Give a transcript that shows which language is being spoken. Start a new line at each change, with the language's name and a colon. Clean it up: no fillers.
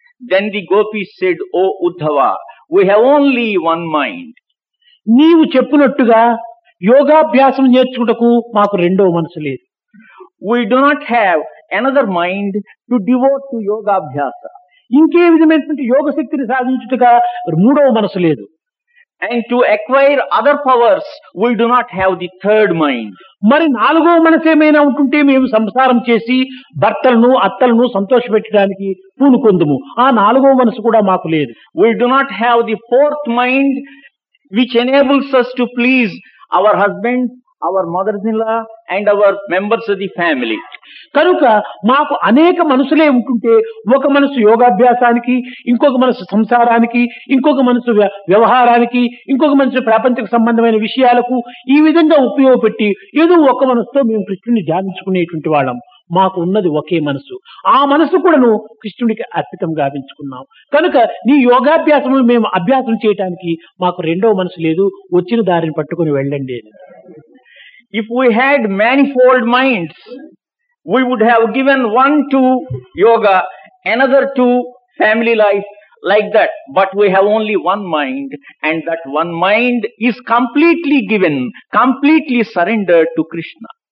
English: Then the gopis said, oh Uddhava, we have only one mind.
Telugu: నీవు చెప్పునట్టుగా యోగాభ్యాసం నేర్చుకుంటకు మాకు రెండో మనసు లేదు.
English: We do not have another mind to devote to yoga abhyasa.
Telugu: ఇంకే విధమైనటువంటి యోగ శక్తిని సాధించుటగా మూడో మనసు లేదు.
English: And to acquire other powers, we do not have the third mind.
Telugu: మరి నాలుగో మనసేమైనా ఉంటుంటే మేము సంసారం చేసి భర్తలను అత్తలను సంతోష పెట్టడానికి పూనుకొందుము. ఆ నాలుగో మనసు కూడా మాకు లేదు.
English: We do not have the fourth mind which enables us to please our husband, our mother-in-law and our members of the family.
Telugu: కనుక మాకు అనేక మనసులే ఉంటుంటే ఒక మనసు యోగాభ్యాసానికి, ఇంకొక మనసు సంసారానికి, ఇంకొక మనసు వ్యవహారానికి, ఇంకొక మనసు ప్రాపంచిక సంబంధమైన విషయాలకు ఈ విధంగా ఉపయోగపెట్టి ఏదో ఒక మనసుతో మేము కృష్ణుని ధ్యానించుకునేటువంటి వాళ్ళం. మాకు ఉన్నది ఒకే మనసు. ఆ మనసు కూడాను కృష్ణుడికి అర్పితం గావించుకున్నాం. కనుక నీ యోగాభ్యాసము మేము అభ్యాసం చేయటానికి మాకు రెండవ మనసు లేదు. వచ్చిన దారిని పట్టుకుని వెళ్ళండి.
English: If we had manifold minds, we would have given one to yoga, another to family life, like that. But we have only one mind, and that one mind is completely given, completely surrendered to Krishna.